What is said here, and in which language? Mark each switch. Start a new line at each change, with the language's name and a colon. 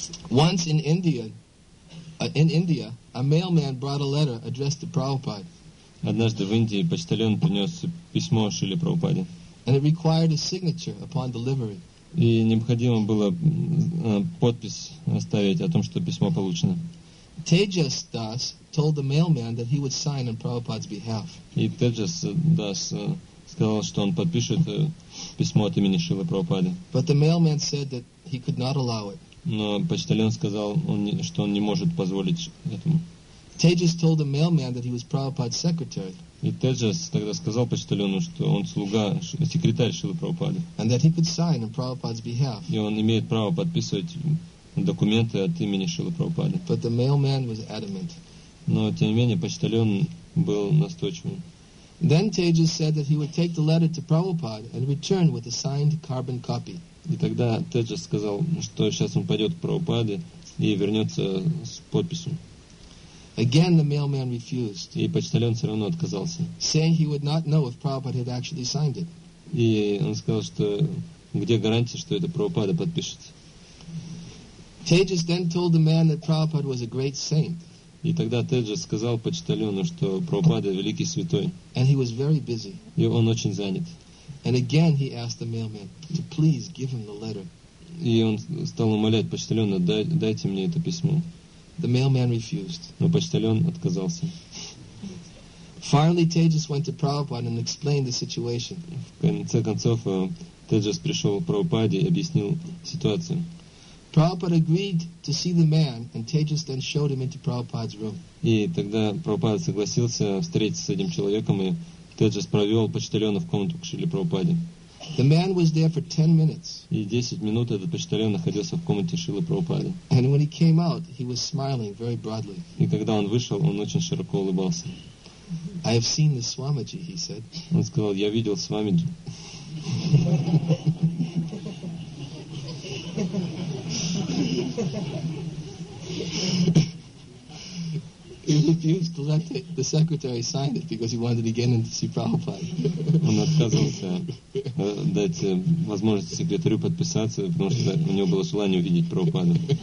English: Once in India, a mailman brought a letter addressed to Prabhupada.
Russian: Однажды в Индии почтальон принес письмо Шриле Прабхупаде.
English: And it required a signature upon delivery.
Russian: И необходимо было подпись оставить о том, что письмо получено.
English: Tejas Das told the mailman that he would sign on Prabhupada's behalf.
Russian: И Tejas Das сказал, что он подпишет письмо от имени Шрилы Прабхупады.
English: But the mailman said that he could not allow it.
Russian: Но почтальон сказал, что он не может позволить этому.
English: Tejas told the mailman that he was Prabhupada's secretary.
Russian: И Теджас тогда сказал почтальону, что он слуга, секретарь Шрилы Прабхупады.
English: And that he could sign on Prabhupada's behalf.
Russian: И он имеет право подписывать документы от имени Шрилы Прабхупады.
English: But the mailman was adamant.
Russian: Но тем не менее почтальон был настойчивым.
English: Then Tejas said that he would take the letter to Prabhupada and return with a signed carbon copy.
Russian: И тогда Теджас сказал, что сейчас он пойдет к Прабхупаде и вернется с подписью.
English: Again the mailman refused.
Russian: И почтальон все равно отказался.
English: Saying he would not know if Prabhupada had actually signed it.
Russian: И он сказал, что где гарантия, что это Прабхупада подпишет.
English: Tejas then told the man that Prabhupada was a great saint.
Russian: И тогда Теджас сказал почтальону, что Прабхупада великий святой.
English: And he was very busy.
Russian: И он очень занят.
English: And again he asked the mailman to please give him the letter.
Russian: И он стал умолять почтальона, дайте мне это письмо.
English: The mailman refused.
Russian: Но почтальон отказался.
English: Finally, Tejas went to Prabhupada and explained the situation.
Russian: В конце концов, Теджас пришел к Прабхупаде и объяснил ситуацию.
English: Prabhupada agreed to see the man, and Tejas then showed him into Prabhupada's room.
Russian: И тогда Прабхупада согласился встретиться с этим человеком, и Теджас провел почтальона в комнату к Шриле Прабхупаде.
English: The man was there for 10 minutes.
Russian: И 10 минут этот почтальон находился в комнате Шрилы Прабхупады.
English: And when he came out, he was smiling very broadly.
Russian: И когда он вышел, он очень широко улыбался.
English: I have seen the Swamiji, he said.
Russian: Он сказал, я видел Свамиджи.
English: He refused to let the secretary sign it because he wanted to get in to see Prabhupada.
Russian: Он отказался дать возможность секретарю подписаться, потому что у него было желание увидеть Прабхупаду.